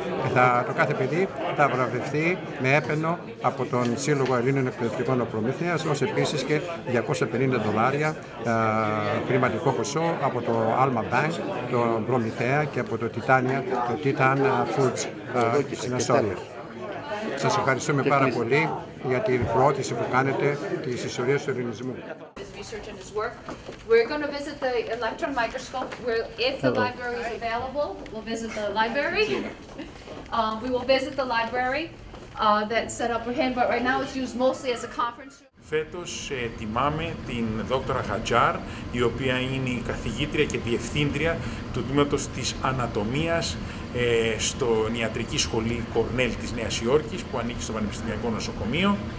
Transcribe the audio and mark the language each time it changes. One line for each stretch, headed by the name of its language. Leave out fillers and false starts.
Greek: Και το κάθε παιδί θα βραβευθεί με έπαινο από τον Σύλλογο Ελλήνων Εκπαιδευτικών Προμηθέας, ως επίσης και $250 χρηματικό ποσό από το Alma Bank, το Προμηθέα και από το Titania, το Titan Foods στην Αστόρια. Σας ευχαριστούμε πάρα πολύ για την προώθηση που κάνετε της ιστορίας του ελληνισμού.
English: We're going to visit the electron microscope. If the library is available, we'll visit the library. We will visit the library that's set up for him, but right now it's used mostly as a conference room.
Greek: Φέτος τιμάμε την δόκτωρα Χατζάρ, η οποία είναι η καθηγήτρια και διευθύντρια του τμήματος της ανατομίας στην Ιατρική Σχολή Κορνέλ της Νέας Υόρκης, που ανήκει στο Πανεπιστημιακό Νοσοκομείο.